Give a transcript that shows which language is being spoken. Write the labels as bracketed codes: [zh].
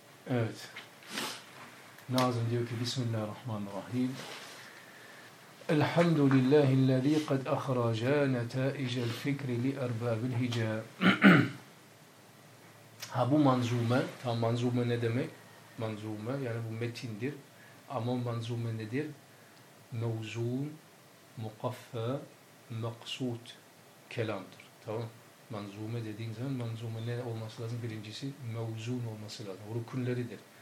[tr] Evet, nazım diyor ki bismillahirrahmanirrahim. [ar] الحمد لله الذي قد أخرج نتائج الفكر لأرباب الهجاء. [tr] Ha, bu manzume, tam manzume ne demek? Manzume, yani bu metindir. Ama manzume nedir? Mevzun, mukaffa, maksut kelamdır. Tamam. Manzume dediğin zaman manzume ne olması lazım? Birincisi mevzun olması lazım. Rukunleridir.